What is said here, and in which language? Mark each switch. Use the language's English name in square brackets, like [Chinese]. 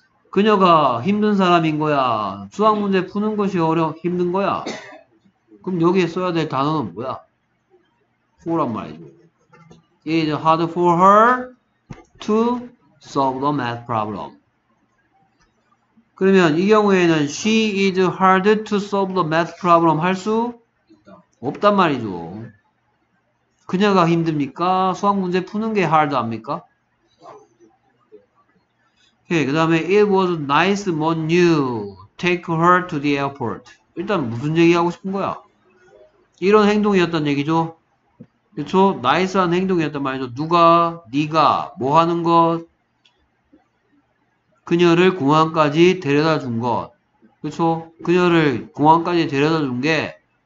[Korean] 그녀가 힘든 사람인 거야. 수학 문제 푸는 것이 힘든 거야. 그럼 여기에 써야 될 단어는 뭐야? for란 말이죠. [English] It is hard for her to solve the math problem. [Korean] 그러면 이 경우에는 [English] she is hard to solve the math problem [Korean] 할 수 없단 말이죠. 그녀가 힘듭니까? 수학 문제 푸는 게 hard합니까? [English] 오케이, [Korean] 그 다음에 [English] It was nice when you take her to the airport. [Korean] 일단 무슨 얘기하고 싶은 거야? 이런 행동이었단 얘기죠? 그쵸? 나이스한 행동이었단 말이죠. 누가? 네가? 뭐 하는 것? 그녀를 공항까지 데려다 준 것. 그쵸? 그녀를 공항까지 데려다 준 게